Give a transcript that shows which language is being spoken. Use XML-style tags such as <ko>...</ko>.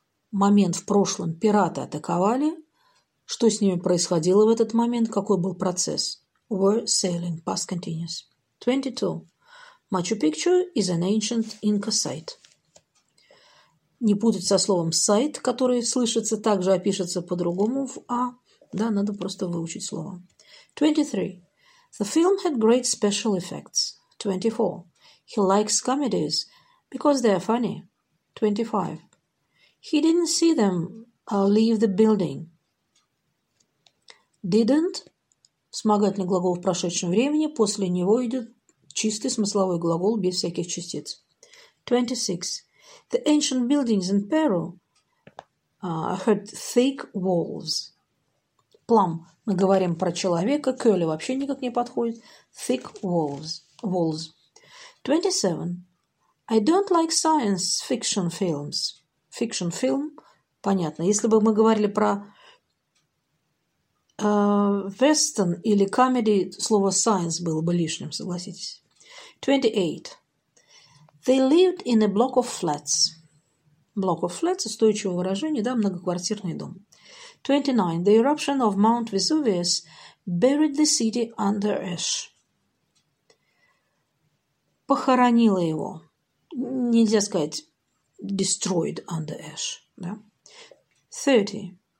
<ru>Момент в прошлом. Пираты атаковали. Что с ними происходило в этот момент? Какой был процесс?</ru> <en>Were sailing. Past continuous. 22. Machu Picchu is an ancient Inca site.</en> <ru>Не путать со словом</ru> <en>site,</en> <ru>который слышится так же, а пишется по-другому в «а». Да, надо просто выучить слово. 23.</ru> <en>The film had great special effects. 24. He likes comedies because they are funny. 25. He didn't see them leave the building. Didn't.</en> <ru>Вспомогательный глагол в прошедшем времени. После него идет чистый смысловой глагол без всяких частиц. 26.</ru> <en>The ancient buildings in Peru had thick walls. Plum.</en> <ru>Мы говорим про человека.</ru> <en>Curly</en> <ru>вообще никак не подходит.</ru> <en>Thick walls. 27. I don't like science fiction films. Fiction film,</en> <ru>понятно. Если бы мы говорили про Western или comedy, слово science было бы лишним, согласитесь. 28.</ru> <en>They lived in a block of flats. Block of flats</en> <ru>– устойчивое выражение, да, многоквартирный дом.</ru> <en>29. The eruption of Mount Vesuvius buried the city under ash.</en> <ru>Похоронила его. Нельзя сказать</ru> <en>destroyed under ash.</en> <ru>Да? 30.</ru>